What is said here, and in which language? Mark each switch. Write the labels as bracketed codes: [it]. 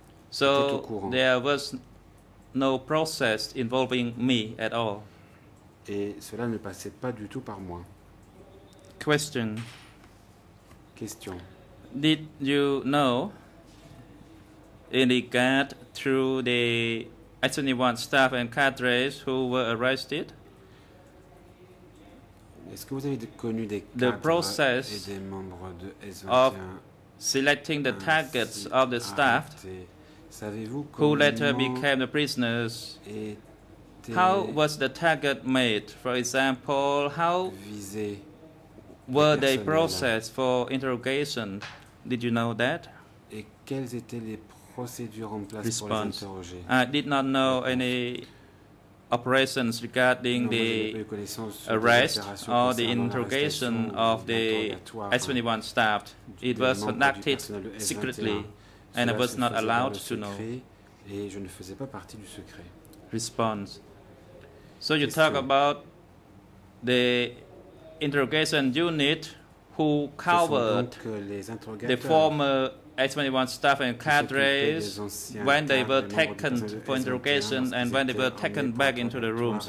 [en] So there was no process involving me at all. [fr] Et cela ne passait pas du tout par moi. [en] Question. Did you know in regard to the S21 staff and cadres who were arrested? [fr] Est-ce que vous avez connu des cadres [en] the process [fr] et des membres de S21 [en] of selecting the targets of the staff who later became the prisoners? How was the target made? For example, how were they processed for interrogation? Did you know that? [fr] Et quelles étaient les procédures en place pour les interroger? [en] I did not know any operations regarding the arrest or the interrogation of the S21 staff. It was conducted secretly. And I was not allowed to know. [fr] Et je ne faisais pas partie du secret. [en] Response. So you talk about the interrogation unit who covered the former S21 staff and cadres when they were taken for interrogation and when they were taken back into the rooms?